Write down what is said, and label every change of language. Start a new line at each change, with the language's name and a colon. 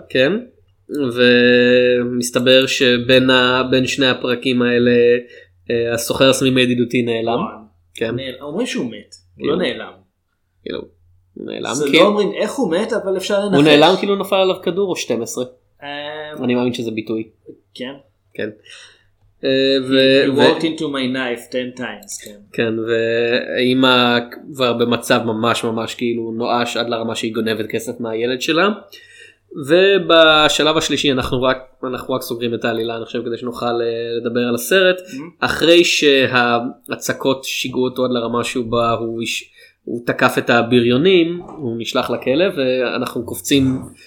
Hebrew: כן, ומסתבר שבין שני הפרקים האלה הסוחר הסמים הידידותי נעלם. כן. אומרים שהוא מת, הוא לא נעלם. כאילו, הוא נעלם. זה לא אומרים איך הוא מת, אבל אפשר לנחש. הוא נעלם כאילו נפל עליו כדור או 12. אני מאמין שזה ביטוי. כן. כן.
English: You walked into my knife 10 times.
Hebrew: כן, ואימא כבר במצב ממש ממש כאילו נואש עד לרמה שהיא גונבת כסף מהילד שלה. ובשלב השלישי אנחנו רק סוגרים את העלילה, אני חושב, כדי שנוכל לדבר על הסרט. אחרי שההצקות שיגעו אותו עד לרמה שהוא בא, הוא תקף את הבריונים, הוא נשלח לכלא, ואנחנו קופצים